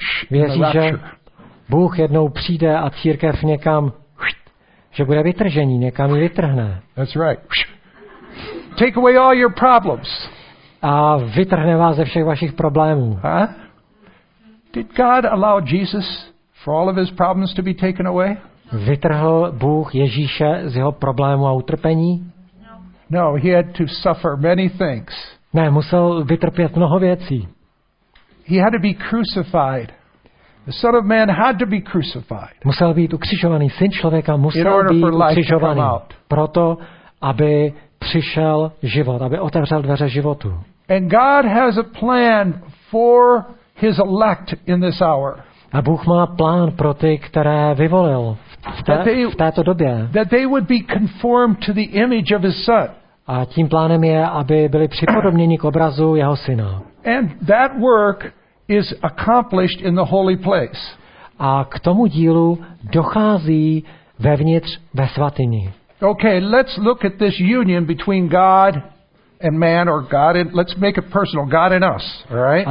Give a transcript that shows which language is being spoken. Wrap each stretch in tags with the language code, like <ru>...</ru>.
<cs>Věří, že Bůh jednou přijde a církev někam, že bude vytržení, někam ji vytrhne.</cs> <en>That's right. Take away all your problems.</en> <cs>A vytrhne vás ze všech vašich problémů.</cs> <en>Did God allow Jesus for all of his problems to be taken away?</en> <cs>Vytrhl Bůh Ježíše z jeho problému a utrpení?</cs> <en>No, he had to suffer many things.</en> <cs>Ne, musel vytrpět mnoho věcí.</cs> <en>He had to be crucified. The Son of Man had to be crucified.</en> <cs>Musel být ukřižovaný, Syn člověka musel být ukřižovaný. Proto, aby přišel život, aby otevřel dveře životu.</cs> <en>And God has a plan for his elect in this hour.</en> <cs>A Bůh má plán pro ty, které vyvolil v této době.</cs> <en>That they would be conformed to the image of his son.</en> <cs>A tím plánem je, aby byli připodobněni k obrazu jeho syna.</cs> <en>And that work is accomplished in the holy place.</en> <cs>A k tomu dílu dochází vevnitř ve svatyni.</cs> <en>Okay, let's look at this union between God and man, or God and let's make it personal, God and us, all right?</en>